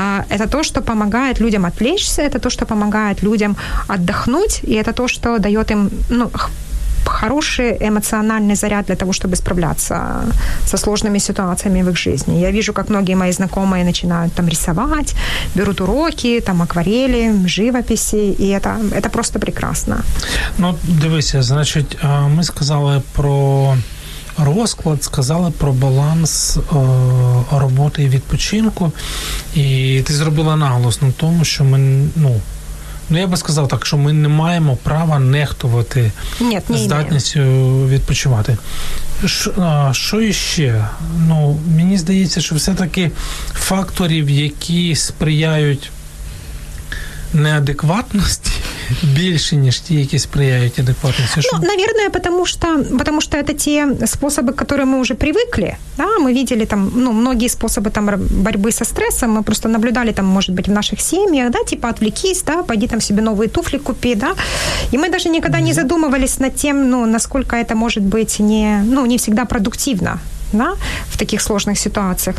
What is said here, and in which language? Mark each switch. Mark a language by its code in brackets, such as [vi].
[ru] Это то, что помогает людям отвлечься, это то, что помогает людям отдохнуть, и это то, что дает им хороший эмоциональный заряд для того, чтобы справляться со сложными ситуациями в их жизни. Я вижу, как многие мои знакомые начинают там рисовать, берут уроки, там акварели, живописи, и это просто прекрасно. [uk] Ну, дивися, [ru] значит, мы сказали [uk] про розклад, сказали про баланс роботи і відпочинку, і ти зробила наголос на тому, що ми, ну, я би сказав так, що ми не маємо права нехтувати здатністю відпочивати. Що іще? Ну, мені здається, що все-таки факторів, які сприяють неадекватності, більше, ніж ті, які сприяють адекватності. [ru] Ну, наверное, потому что это те способи, к которым мы уже привыкли, да, мы видели там, ну, многие способы там борьбы со стрессом, мы просто наблюдали там, может быть, в наших семьях, да, типа, отвлекись, да, пойди там себе новые туфли купи, да, и мы даже никогда не задумывались над тем, ну, насколько это может быть не всегда продуктивно, да, в таких сложных ситуациях.